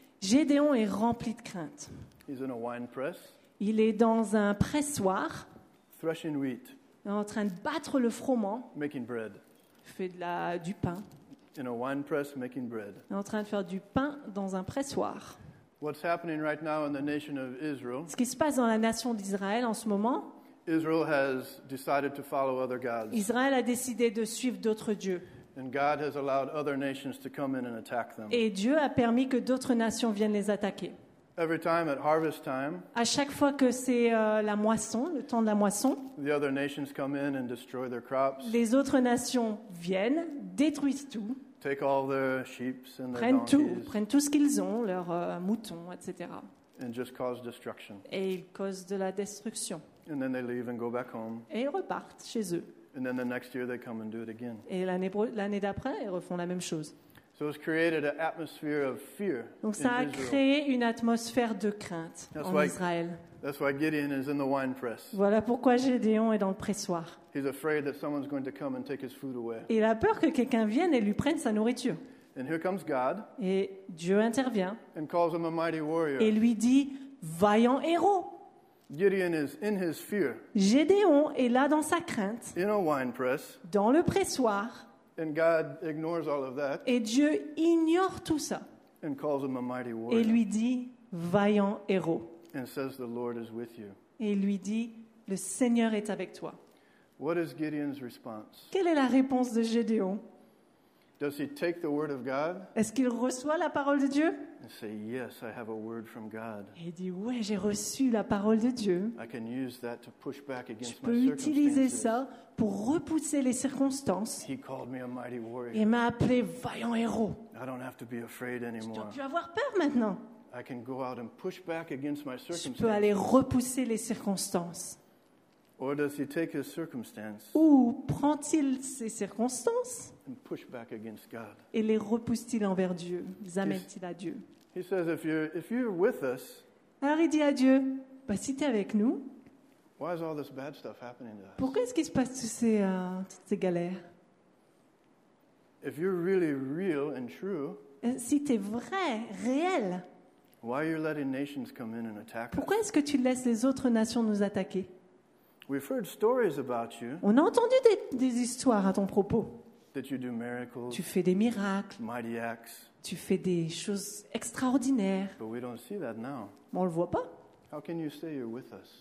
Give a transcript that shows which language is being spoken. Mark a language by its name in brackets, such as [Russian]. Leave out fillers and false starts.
[French] Gédéon est rempli de crainte. [English] He's in a wine press, [French] il est dans un pressoir, [English] threshing wheat, [French] en train de battre le froment, [English] making bread, [French] fait du pain, [English] in a wine press, making bread, [French] en train de faire du pain dans un pressoir. [English] What's happening right now in the nation of Israel, [French] ce qui se passe dans la nation d'Israël en ce moment, [English] Israel has decided to follow other gods. [French] Israël a décidé de suivre d'autres dieux. [English] And God has allowed other nations to come in and attack them. [French] Et Dieu a permis que d'autres nations viennent les attaquer. [English] Every time at harvest time, [French] à chaque fois que c'est la moisson, le temps de la moisson, [English] the other nations come in and destroy their crops. [French] Les autres nations viennent, détruisent tout. [English] Take all their sheep and their [French] prennent [English] donkeys. [French] Prennent tout ce qu'ils ont, leurs moutons, etc. [English] And just cause destruction. [French] Et ils causent de la destruction. [English] And then they leave and go back home. [French] Et ils repartent chez eux. [English] And then the next year they come and do it again. [French] Et l'année d'après, ils refont la même chose. [English] So it's created an atmosphere of fear. [French] Donc ça a créé une atmosphère de crainte en Israël. [English] That's why Gideon is in the wine press. [French] Voilà pourquoi Gédéon est dans le pressoir. [English] He's afraid that someone's going to come and take his food away. [French] Il a peur que quelqu'un vienne et lui prenne sa nourriture. [English] And here comes God. [French] Et Dieu intervient. [English] And calls him a mighty warrior. [French] Et lui dit, vaillant héros. [English] Gideon is in his fear. [French] Gédéon est là dans sa crainte. [English] In a wine press. [French] Dans le pressoir. [English] And God ignores all of that. [French] Et Dieu ignore tout ça. [English] And calls him a mighty warrior. [French] Et lui dit, vaillant héros. [English] And says the Lord is with you. [French] Et lui dit, le Seigneur est avec toi. [English] What is Gideon's response? [French] Quelle est la réponse de Gédéon? [English] Does he take the word of God? [French] Est-ce qu'il reçoit la parole de Dieu? [English] And say, yes, I have a word from God. [French] Et il dit, « Ouais, j'ai reçu la parole de Dieu. » [English] I can use that to push back against [French] Je peux [English] my [French] utiliser [English] circumstances. [French] Ça pour repousser les circonstances. [English] He called me a mighty warrior. [French] Il m'a appelé vaillant héros. [English] I don't have to be afraid anymore. [French] Je ne dois plus avoir peur maintenant. [English] I can go out and push back against my circumstances. [French] Je peux aller repousser les circonstances. [English] Or does he take his circumstances? [French] Ou prend-il ses circonstances? [English] And push back against God. [French] Et les repousse-t-il envers Dieu? Les amène-t-il à Dieu? [English] He says, if you're with us, [French] alors il dit à Dieu, bah, si tu es avec nous, [English] why is all this bad stuff happening to us? [French] Pourquoi est-ce qu'il se passe toutes ces galères? [English] If you're really real and true, [French] si tu es vrai, réel, [English] why are you letting nations come in and attack [French] pourquoi est-ce que tu laisses les autres nations nous attaquer? [English] We've heard stories about you, [French] on a entendu des histoires à ton propos. [English] That you do miracles, [French] tu fais des miracles, [English] mighty acts, [French] tu fais des choses extraordinaires. [English] But we don't see that now. [French] Mais on ne le voit pas. [English] How can you say you're with us?